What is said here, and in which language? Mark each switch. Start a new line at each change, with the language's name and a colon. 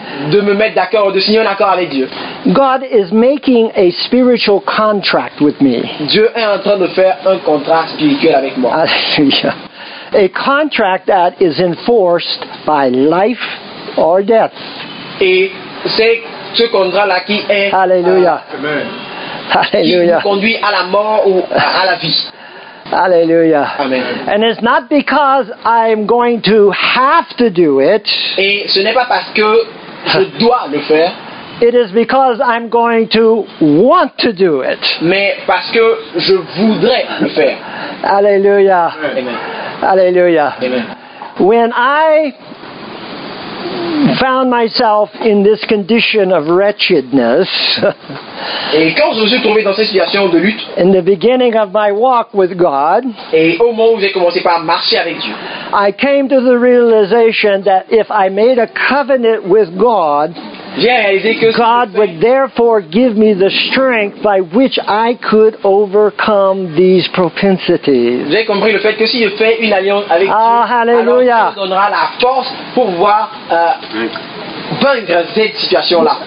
French: De me mettre d'accord, de signer un accord avec Dieu.
English: God is making a spiritual contract with me.
French: Dieu est en train de faire un contrat spirituel avec moi. Alléluia.
English: A contract that is enforced by life or death.
French: Et c'est ce contrat-là qui est Alléluia. Alléluia. Qui conduit à la mort ou à la vie. Alléluia. Amen.
English: And it's not because I'm going to have to do it.
French: Et ce n'est pas parce que je dois le faire.
English: It is because I'm going to want to do it.
French: Mais parce que je voudrais le faire. Alléluia. Amen. Alléluia. Amen.
English: when I found myself in this condition of wretchedness,
French: et quand je me suis trouvé dans cette situation de lutte,
English: in the beginning of my walk with God,
French: et au moment où j'ai commencé par marcher avec Dieu,
English: I came to the realization that if I made a covenant with God,
French: j'ai réalisé que
English: God would therefore give me the strength by which I could overcome these propensities.
French: J'ai compris le fait que si je fais une alliance avec Dieu,
English: hallelujah,
French: alors Dieu donnera la force pour voir vaincre cette situation-là.